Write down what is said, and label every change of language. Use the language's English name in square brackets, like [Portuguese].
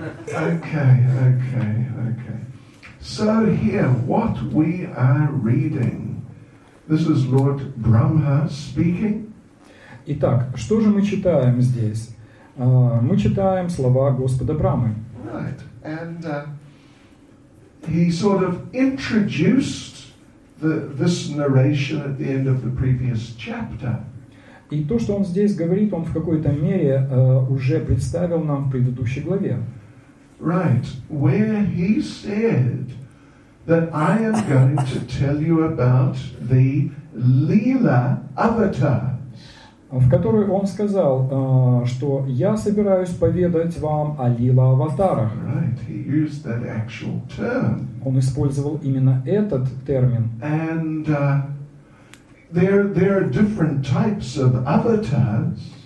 [English] Okay. So here, what we are reading. This is Lord Brahma speaking. [Russian] Итак, что же мы читаем здесь? Мы читаем слова Господа Брамы. [English] Right. And he sort of introduced this narration at the end of the previous chapter. [Russian] И то, что он здесь говорит, он в какой-то мере уже представил нам в предыдущей главе. [English] Right. Where he said that I am going to tell you about the Leela Avatar. [Russian] В которой он сказал, что я собираюсь поведать вам о лила-аватарах. [English] Right. He used that actual term. [Russian] Он использовал именно этот термин. [English] And, there are different types of avatars.